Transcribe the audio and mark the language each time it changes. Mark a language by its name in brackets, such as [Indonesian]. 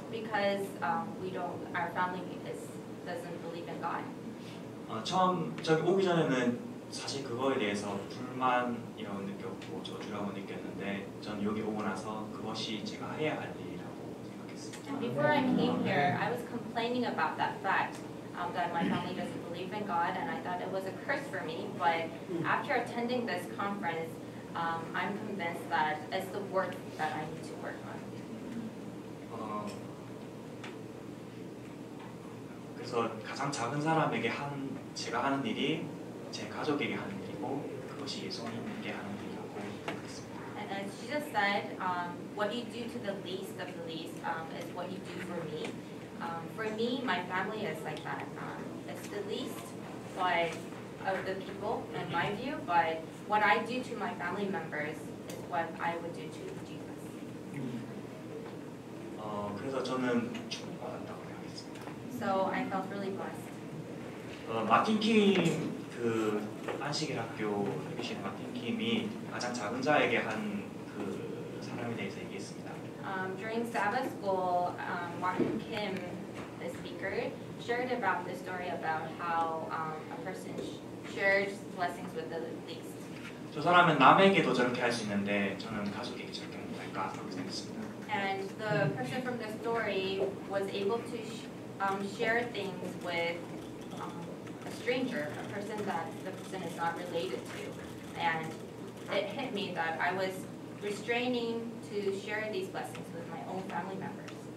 [English] Because we don't, our family doesn't believe in God. [Korean] 처음 저기 오기 전에는 사실 그거에 대해서 불만 이런 느꼈고 저주라고 느꼈는데 전 여기 오고 나서 그것이 제가 해야 할 일이라고 생각했습니다. [English] And before I came here, I was complaining about that fact that my family doesn't believe in God, and I thought it was a curse for me. But after attending this conference, I'm convinced that it's the work that I need to work on. [Korean] 그래서 가장 작은 사람에게 한 제가 하는 일이 제 가족에게 하는 일이고 그것이 예수님께 하는 일이라고 생각했습니다. [English] And as Jesus said, what you do to the least of the least is what you do for me. For me, my family is like that. It's the least of the people in my view, but what I do to my family members is what I would do to Jesus. [Korean] 그래서 저는 축복받았다고 생각했습니다. [English] So I felt really blessed. [Korean] 마틴 킴 그 안식일 학교 계신 마틴 킴이 가장 작은 자에게 한 그 사람에 대해서 얘기했습니다. [English] During Sabbath school, Martin Kim, the speaker, shared about the story about how a person shares blessings with the least. [Korean] 저 사람은 남에게도 저렇게 할 수 있는데 저는 가족에게 저렇게 못할까 생각했습니다. [English] And the person from the story was able to share things with stranger, a person that the person is not related to, and it hit me that I was restraining to share these blessings with my own family members.